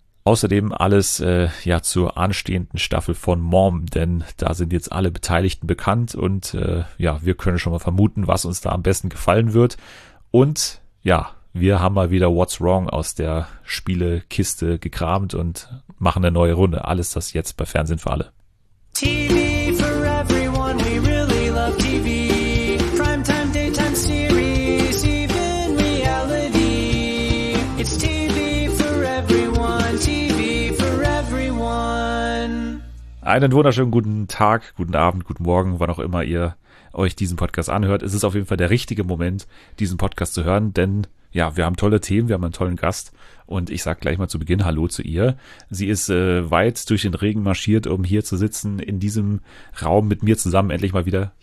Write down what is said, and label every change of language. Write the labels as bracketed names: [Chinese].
[German] Außerdem alles zur anstehenden Staffel von Mom, denn da sind jetzt alle Beteiligten bekannt und wir können schon mal vermuten, was uns da am besten gefallen wird. Und ja, wir haben mal wieder What's Wrong aus der Spielekiste gekramt und machen eine neue Runde. Alles das jetzt bei Fernsehen für alle. [English] TV for everyone, we really love TV. Primetime, daytime series, even reality. It's TV for everyone, TV for everyone. [German] Einen wunderschönen guten Tag, guten Abend, guten Morgen, wann auch immer ihr euch diesen Podcast anhört. Es ist auf jeden Fall der richtige Moment, diesen Podcast zu hören, denn ja, wir haben tolle Themen, wir haben einen tollen Gast und ich sage gleich mal zu Beginn Hallo zu ihr. Sie ist weit durch den Regen marschiert, um hier zu sitzen, in diesem Raum mit mir zusammen endlich mal wieder.